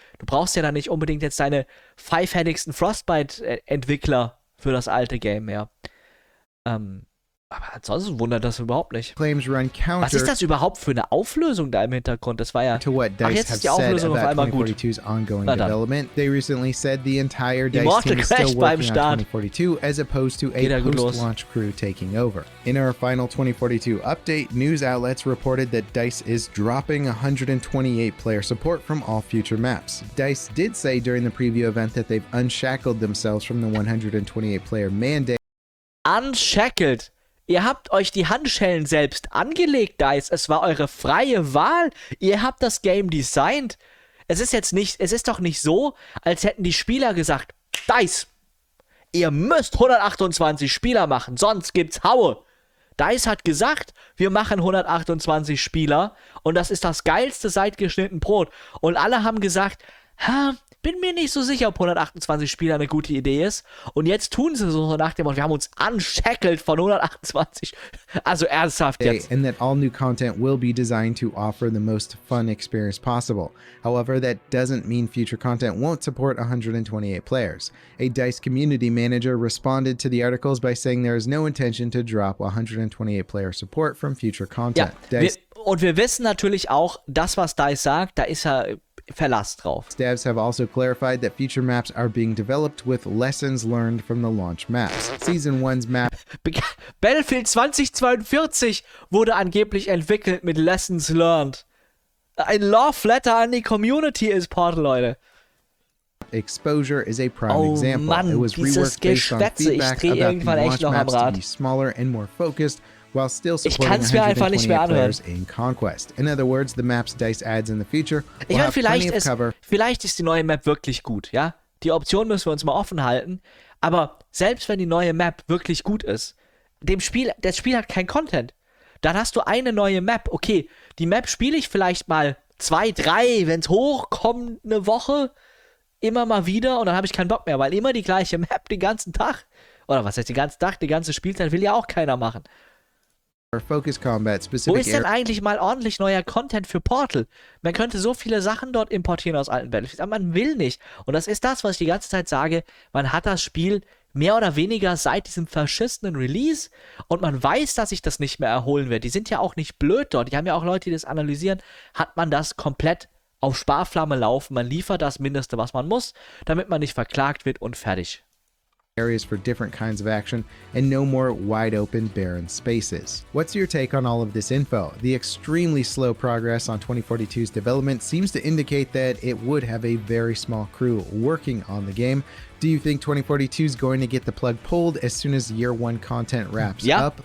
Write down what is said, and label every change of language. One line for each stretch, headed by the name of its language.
German: Du brauchst ja dann nicht unbedingt jetzt deine five-headigsten Frostbite-Entwickler für das alte Game mehr. Aber ansonsten wundert das überhaupt nicht.
English: Claims run counter.
German: Was ist das überhaupt für eine Auflösung da im Hintergrund? Das war ja.
English: To what DICE
German: ach, jetzt ist die Auflösung auf einmal gut.
English: Ongoing development. They recently said the entire DICE team still working on 2042 as opposed to a post-launch crew taking over. In our final 2042 update, news outlets reported that DICE is dropping 128 player support from all future maps. DICE did say during the preview event that they've unshackled themselves from the 128 player mandate. Unshackled.
German: Ihr habt euch die Handschellen selbst angelegt, DICE. Es war eure freie Wahl. Ihr habt das Game designed. Es ist jetzt nicht, es ist doch nicht so, als hätten die Spieler gesagt, DICE, ihr müsst 128 Spieler machen, sonst gibt's Haue. DICE hat gesagt, wir machen 128 Spieler und das ist das geilste seit geschnitten Brot. Und alle haben gesagt, bin mir nicht so sicher, ob 128 Spieler eine gute Idee ist. Und jetzt tun sie so nach dem Motto, wir haben uns unshackled von 128. Also ernsthaft jetzt.
English: And that all new content will be designed to offer the most fun experience possible. However, that doesn't mean future content won't support 128 players. A DICE community manager responded to the articles by saying there is no intention to drop 128 player support from future content.
German: Ja, DICE und wir wissen natürlich auch, das was DICE sagt, da ist ja Verlass drauf.
English: Devs have also clarified that future maps are being developed with lessons learned from the launch maps. Season 1's map
German: Battlefield 2042 wurde angeblich entwickelt mit
English: lessons learned.
German: Ein Love Letter an die Community ist Portal, Leute.
English: Exposure is a prime example. Mann, it was reworked based on feedback about the Watch Maps to be smaller and more focused, while still supporting 128 players in Conquest. In other words, the maps DICE adds in the future will have plenty of cover.
German: Vielleicht ist die neue Map wirklich gut, ja? Die Option müssen wir uns mal offen halten. Aber selbst wenn die neue Map wirklich gut ist, das Spiel hat kein Content. Dann hast du eine neue Map. Okay, die Map spiele ich vielleicht mal 2, 3, wenn es hochkommt, eine Woche, immer mal wieder und dann habe ich keinen Bock mehr, weil immer die gleiche Map den ganzen Tag, oder was heißt den ganzen Tag, die ganze Spielzeit will ja auch keiner machen.
English: Focus Combat, specific
German: wo ist denn eigentlich mal ordentlich neuer Content für Portal? Man könnte so viele Sachen dort importieren aus alten Battlefields, aber man will nicht. Und das ist das, was ich die ganze Zeit sage, man hat das Spiel mehr oder weniger seit diesem verschissenen Release und man weiß, dass sich das nicht mehr erholen wird. Die sind ja auch nicht blöd dort. Die haben ja auch Leute, die das analysieren. Hat man das komplett auf Sparflamme laufen? Man liefert das Mindeste, was man muss, damit man nicht verklagt wird und fertig.
English: Areas for different kinds of action and no more wide open barren spaces. What's your take on all of this info? The extremely slow progress on 2042's development seems to indicate that it would have a very small crew working on the game. Do you think 2042 is going to get the plug pulled as soon as year one content wraps up?